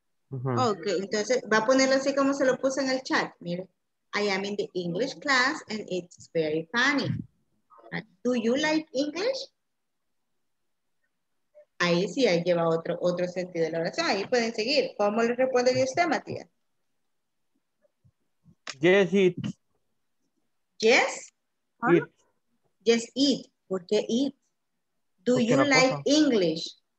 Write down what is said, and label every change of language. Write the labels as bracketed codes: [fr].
[es] Ok, entonces va a ponerlo así como se lo puse en el chat. [en] Mire, I am in the English class and it's very funny. Do you like English? [es] Ahí sí, ahí lleva otro sentido de la oración. Ahí pueden seguir. ¿Cómo le responde usted, Matías? [en] Yes, it. Yes? It. Yes, it. [es] ¿Por qué [en] it? Do you like English?